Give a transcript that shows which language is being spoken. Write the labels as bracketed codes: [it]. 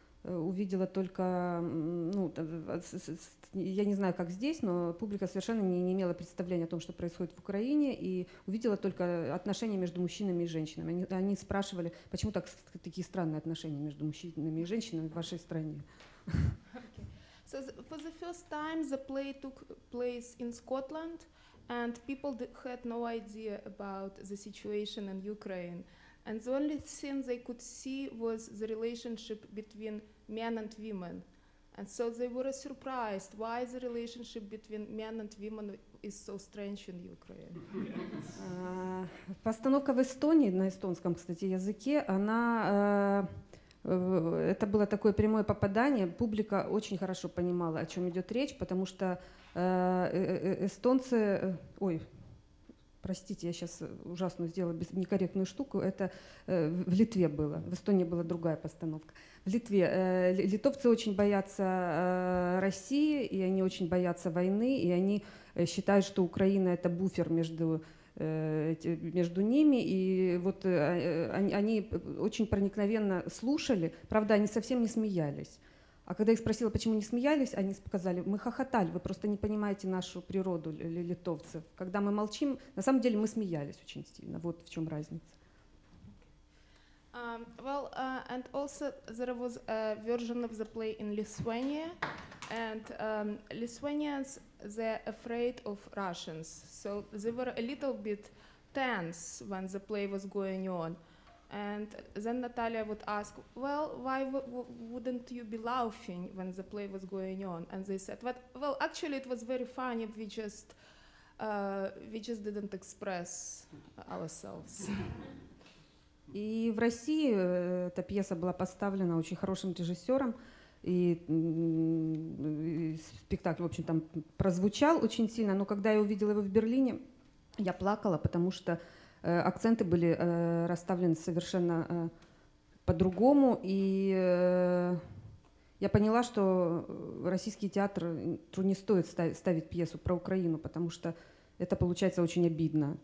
[ru] увидела только, ну, я не знаю, как здесь, но публика совершенно не имела представления о том, что происходит в Украине, и увидела только отношения между мужчинами и женщинами. Они спрашивали, почему такие странные отношения между мужчинами и женщинами в вашей стране. [en] So for the first time the play took place in Scotland, and people had no idea about the situation in Ukraine. And the only thing they could see was the relationship between men and women. And so they were surprised why the relationship between men and women is so strange in Ukraine. [ru] Постановка в Эстонии, на эстонском, кстати, языке, она... Это было такое прямое попадание. Публика очень хорошо понимала, о чем идет речь, потому что эстонцы... Ой, простите, я сейчас ужасно сделала некорректную штуку. Это в Литве было. В Эстонии была другая постановка. В Литве. Литовцы очень боятся России, и они очень боятся войны, и они считают, что Украина — это буфер между ними, и вот они очень проникновенно слушали, правда, они совсем не смеялись. А когда их спросила, почему не смеялись, они сказали: мы хохотали, вы просто не понимаете нашу природу, литовцев. Когда мы молчим, на самом деле мы смеялись очень сильно, вот в чем разница. [en] Well, and also there was a version of the play in Lithuania, and Lithuanians, they're afraid of Russians, so they were a little bit tense when the play was going on. And then Natalia would ask, well, why wouldn't you be laughing when the play was going on? And they said, well, actually it was very funny, we just didn't express ourselves. [ru] И в России эта пьеса была поставлена очень хорошим режиссером, и спектакль, в общем, там прозвучал очень сильно, но когда я увидела его в Берлине, я плакала, потому что акценты были расставлены совершенно по-другому, и я поняла, что российский театр не стоит ставить пьесу про Украину, потому что это получается очень обидно.